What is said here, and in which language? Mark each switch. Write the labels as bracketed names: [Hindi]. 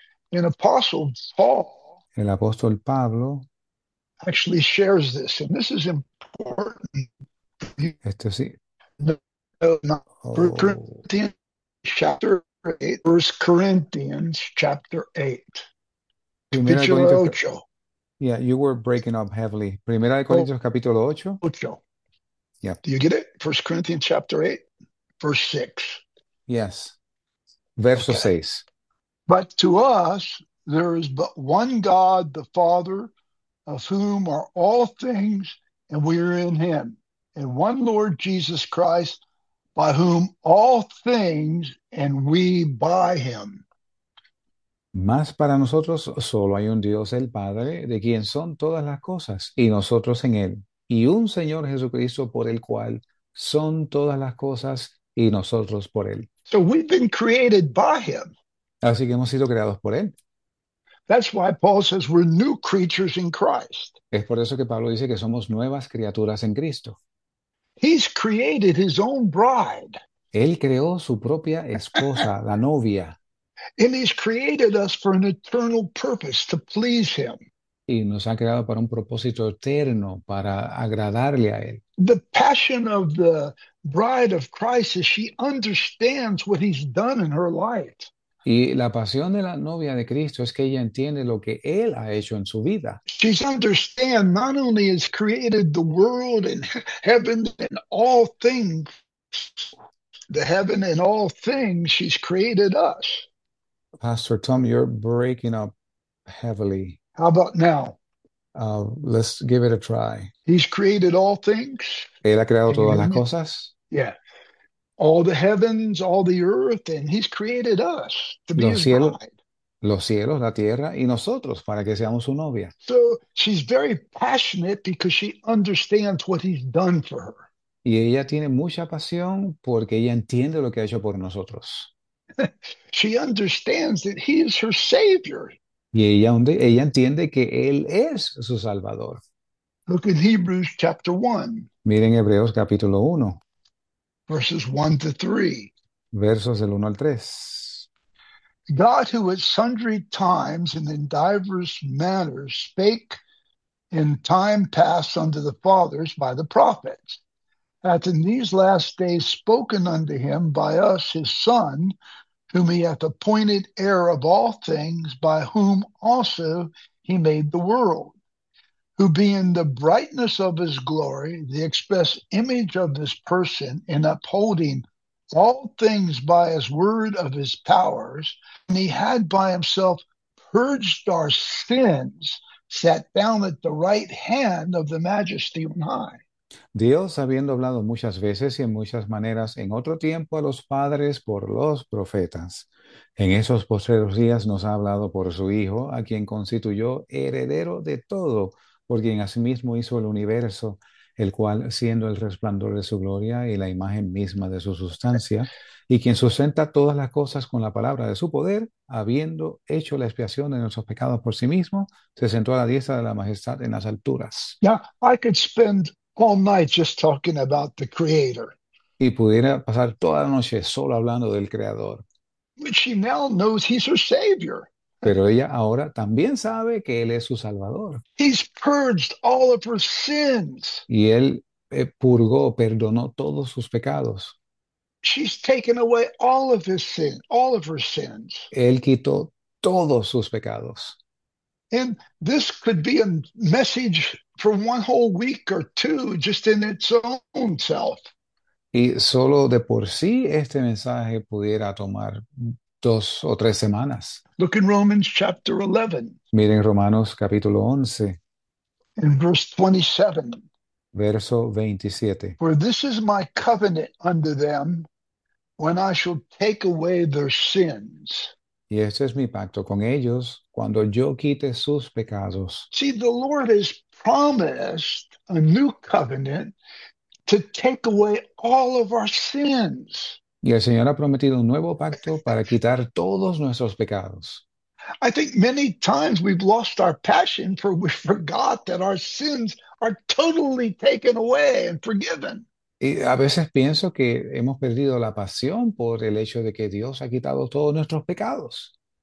[English] An apostle Paul [Spanish] El apóstol Pablo. [English] actually shares this, and this is important. [Spanish] Esto sí. [English] For Oh. Corinthians chapter 8, 1 Corinthians chapter 8. [Spanish] Primera de Corintios. Capítulo 8. [English] Yeah, you were breaking up heavily. [Spanish] Primera de Corintios capítulo 8. Ocho. [English] Do you get it? 1 Corinthians chapter 8, verse 6. Yes. Verso Okay. [Spanish] 6. [English] But to us, there is but one God, the Father, of whom are all things, and we are in him, and one Lord Jesus Christ, by whom all things, and we by him. [Spanish] Mas para nosotros solo hay un Dios, el Padre, de quien son todas las cosas, y nosotros en Él, y un Señor Jesucristo por el cual son todas las cosas, y nosotros por Él. [English] So we've been created by him. [Spanish] Así que hemos sido creados por Él. [English] That's why Paul says we're new creatures in Christ. [Spanish] Es por eso que Pablo dice que somos nuevas criaturas en Cristo. [English] He's created his own bride. [Spanish] Él creó su propia esposa, la novia. [English] And he's created us for an eternal purpose to please him. [Spanish] Y nos ha creado para un propósito eterno, para agradarle a Él. [English] The passion of the bride of Christ is she understands what he's done in her life. [Spanish] Y la pasión de la novia de Cristo es que ella entiende lo que Él ha hecho en su vida. [English] She's understand not only has created the world and heaven and all things, the heaven and all things, she's created us. Pastor Tom, you're breaking up heavily. How about now? Let's give it a try. He's created all things. [Spanish] Él ha creado [English] Can you [Spanish] todas [English] hear [Spanish] las [English] me? [Spanish] cosas. [English] Yeah. All the heavens, all the earth, and he's created us to be [Spanish] Los [English] his [Spanish] cielos, [English] bride. [Spanish] la tierra y nosotros para que seamos su novia. [English] So she's very passionate because she understands what he's done for her. [Spanish] Y ella tiene mucha pasión porque ella entiende lo que ha hecho por nosotros. [English] She understands that he is her savior. [Spanish] Y ella entiende que Él es su Salvador. [English] Look in Hebrews chapter 1, [Spanish] Miren Hebreos capítulo 1, [English] verses 1 to 3. [Spanish] versos del 1 al 3. [English] God, who at sundry times and in diverse manners spake in time past unto the fathers by the prophets, hath in these last days spoken unto him by us his Son, whom he hath appointed heir of all things, by whom also he made the world, who being the brightness of his glory, the express image of his person, and upholding all things by his word of his powers, and he had by himself purged our sins, sat down at the right hand of the majesty on high. [Spanish] Dios, habiendo hablado muchas veces y en muchas maneras en otro tiempo a los padres por los profetas, en esos postreros días nos ha hablado por su Hijo, a quien constituyó heredero de todo, por quien asimismo hizo el universo, el cual, siendo el resplandor de su gloria y la imagen misma de su sustancia, y quien sustenta todas las cosas con la palabra de su poder, habiendo hecho la expiación de nuestros pecados por sí mismo, se sentó a la diestra de la majestad en las alturas. [English] Yeah, I could spend all night just talking about the Creator. [Spanish] Y pudiera pasar toda la noche solo hablando del Creador. [English] But she now knows he's her Savior. [Spanish] Pero ella ahora también sabe que Él es su Salvador. [English] He's purged all of her sins. [Spanish] Y Él purgó, perdonó todos sus pecados. [English] She's taken away all of his sin, all of her sins. [Spanish] Él quitó todos sus pecados. [English] And this could be a message for one whole week or two, just in its own self. [Spanish] Y solo de por sí este mensaje pudiera tomar 2 o 3 semanas. [English] Look in Romans chapter 11, [Spanish] Miren Romanos capítulo 11, [English] in verse 27. [Spanish] verso 27. [English] For this is my covenant unto them when I shall take away their sins. [Spanish] Y este es mi pacto con ellos cuando yo quite sus pecados. [English] See, the Lord has promised a new covenant to take away all of our sins. [Spanish] Y el Señor ha prometido un nuevo pacto para quitar todos nuestros pecados. [English] I think many times we've lost our passion for we forgot that our sins are totally taken away and forgiven. [Spanish] Y a veces pienso que hemos perdido la pasión por el hecho de que Dios ha quitado todos nuestros pecados.